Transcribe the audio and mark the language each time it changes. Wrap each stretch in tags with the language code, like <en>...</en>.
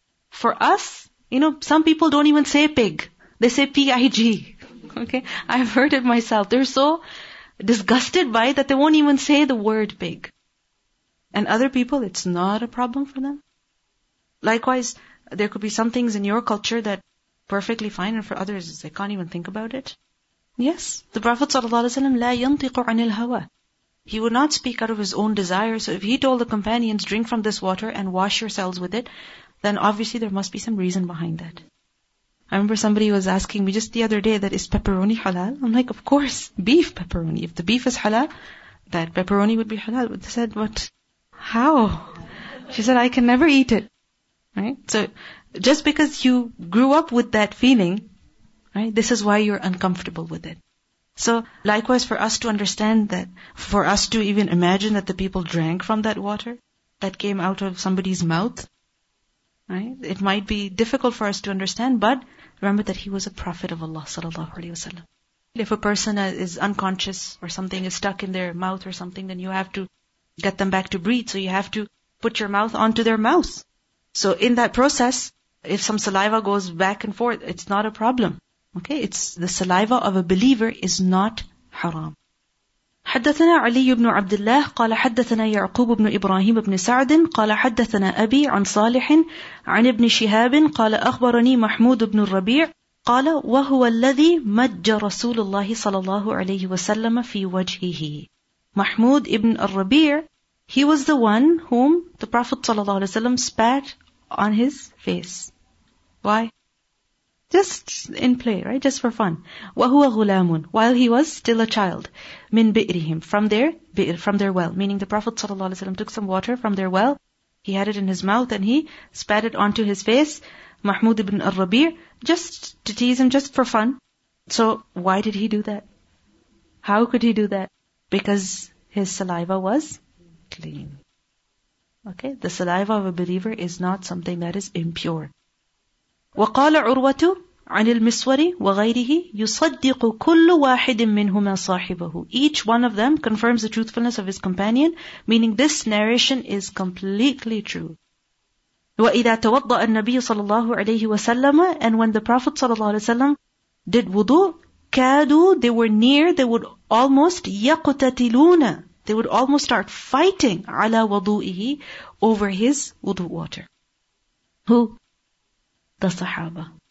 <en>For us, you know, some people don't even say pig. They say P-I-G. Okay? I've heard it myself. They're so disgusted by it that they won't even say the word pig. And other people, it's not a problem for them. Likewise, there could be some things in your culture that are perfectly fine, and for others, they can't even think about it. Yes, the Prophet ﷺ,</en> <ar>لا ينطق عن الهوى.</ar> <en>He would not speak out of his own desire. So if he told the companions, drink from this water and wash yourselves with it, then obviously there must be some reason behind that. I remember somebody was asking me just the other day, that is pepperoni halal? I'm like, of course, beef pepperoni. If the beef is halal, that pepperoni would be halal. But they said, what? How? She said, I can never eat it. Right? So just because you grew up with that feeling, right, this is why you're uncomfortable with it. So likewise, for us to understand that, for us to even imagine that the people drank from that water that came out of somebody's mouth, right? It might be difficult for us to understand, but remember that he was a prophet of Allah sallallahu alaihi wasallam. If a person is unconscious or something is stuck in their mouth or something, then you have to get them back to breathe. So you have to put your mouth onto their mouth. So in that process, if some saliva goes back and forth, it's not a problem. Okay, it's the saliva of a believer is not haram.</en> <ar>حدثنا علي بن عبد الله قال حدثنا يعقوب بن إبراهيم بن سعد قال حدثنا أبي عن صالح عن ابن شهاب قال أخبرني محمود بن الربيع قال وهو الذي مج رسول الله صلى الله عليه وسلم في وجهه.</ar> <en>محمود بن الربيع, he was the one whom the Prophet</en> <ar>صلى الله عليه وسلم</ar> <en>spat on his face. Why? Just in play, right? Just for fun.</en> <ar>وَهُوَ غُلَامٌ,</ar> <en>while he was still a child.</en> <ar>مِنْ بِئْرِهِمْ,</ar> <en>from their well. Meaning the Prophet ﷺ took some water from their well. He had it in his mouth and he spat it onto his face. Mahmud ibn al-Rabir, just to tease him, just for fun. So why did he do that? How could he do that? Because his saliva was clean. Okay, the saliva of a believer is not something that is impure.</en> <ar>وقال عروة عن المسور وغيره يصدق كل واحد منهما صاحبه.</ar> <en>Each one of them confirms the truthfulness of his companion, meaning this narration is completely true.</en> <ar>وإذا توضأ النبي صلى الله عليه وسلم,</ar> <en>and when the Prophet صلى الله عليه وسلم did wudu,</en> <ar>كادوا,</ar> <en>they were near, they would almost</en> <ar>يقتتلون,</ar> <en>they would almost start fighting</en> <ar>على وضوئه,</ar> <en>over his wudu water. Who? The Sahaba.</en>